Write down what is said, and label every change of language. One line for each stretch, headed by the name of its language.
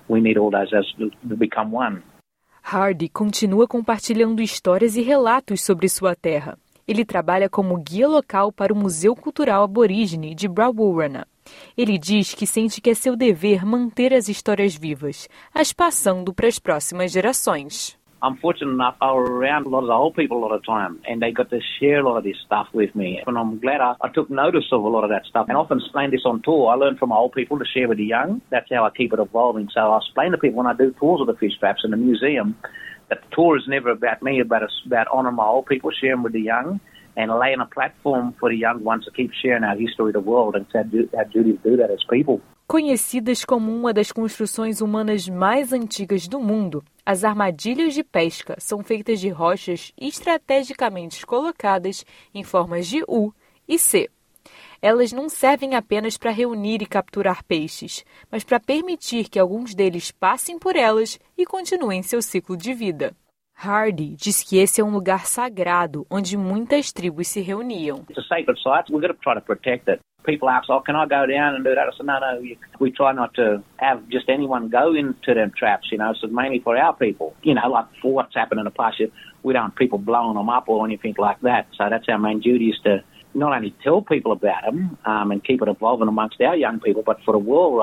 English: We need all those to become one.
Portuguese: Hardy continua compartilhando histórias e relatos sobre sua terra. Ele trabalha como guia local para o Museu Cultural Aborígene de Brawurrana. Ele diz que sente que é seu dever manter as histórias vivas, as passando para as próximas gerações.
English: I'm fortunate enough I'm around a lot of the old people a lot of time, and they got to share a lot of this stuff with me. And I'm glad I took notice of a lot of that stuff. And often explain this on tour. I learn from old people to share with the young. That's how I keep it evolving. So I explain to people when I do tours of the fish traps in the museum that the tour is never about me, about honoring my old people, sharing with the young. And laying a platform for the young ones to keep sharing our history of the world and our duty to do that as people.
Portuguese: Conhecidas como uma das construções humanas mais antigas do mundo, as armadilhas de pesca são feitas de rochas estrategicamente colocadas em formas de U e C. Elas não servem apenas para reunir e capturar peixes, mas para permitir que alguns deles passem por elas e continuem seu ciclo de vida. Hardy diz que esse é um lugar sagrado onde muitas tribos se reuniam.
English: It's a sacred site. We've got to try to protect it. People ask, "Oh, can I go down and do that?" I said, "No, no. We try not to have just anyone go into them traps. You know, it's mainly for our people. You know, like for what's happened in the past, we don't want people blowing them up or anything like that. So that's our main duty is to not only tell people about them and keep it evolving amongst our young people, but for the world.